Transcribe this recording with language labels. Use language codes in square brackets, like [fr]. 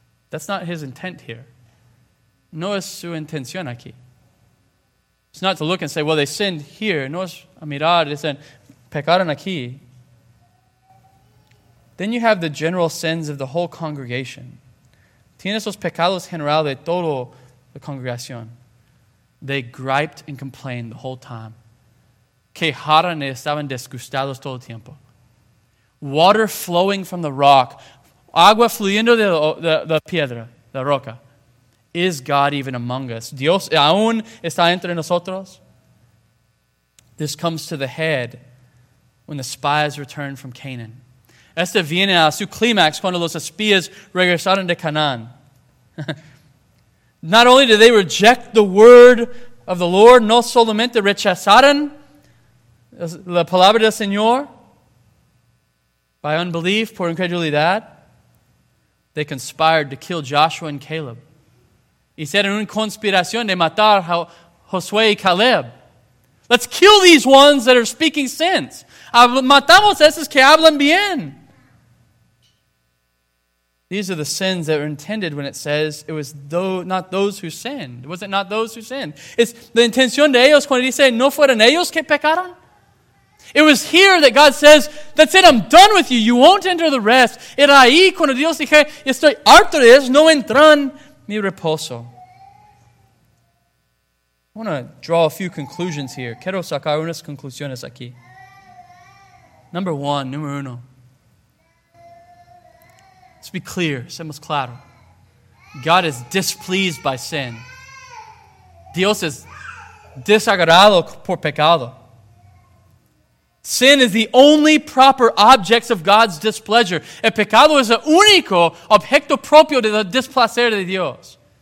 [en] That's not his intent here. [es] No es su intención aquí. [en] It's not to look and say, well, they sinned here. [es] No es a mirar, dicen, pecaron aquí. [en] Then you have the general sins of the whole congregation. [es] Tienes los pecados generales de toda la congregación. [en] They griped and complained the whole time. [es] Quejaron y estaban disgustados todo el tiempo. [en] Water flowing from the rock. [es] Agua fluyendo de la piedra, la roca. [en] Is God even among us? [es] Dios aún está entre nosotros? [en] This comes to the head when the spies return from Canaan. [es] Este viene a su clímax cuando los espías regresaron de Canaan. [en] Not only did they reject the word of the Lord, [es] no solamente rechazaron la palabra del Señor [en] by unbelief, [es] por incredulidad, [en] they conspired to kill Joshua and Caleb. [es] Hicieron una conspiración de matar a Josué y Caleb. [en] Let's kill these ones that are speaking sense. [es] Matamos esos que hablan bien. [en] These are the sins that are intended when it says it was not those who sinned. Was it not those who sinned? It's the [es] intención de ellos cuando dice no fueron ellos que pecaron. [en] It was here that God says, that's it, I'm done with you. You won't enter the rest. [es] Era ahí cuando Dios dije, estoy harto de ellos, no entran mi reposo. [en] I want to draw a few conclusions here. [es] Quiero sacar unas conclusiones aquí. Número uno. [en] Let's be clear, [es] seamos claros. [en] God is displeased by sin. [es] Dios es desagradado por pecado. [en] Sin is the only proper object of God's displeasure. [es] El pecado es el único objeto propio del displacer de Dios.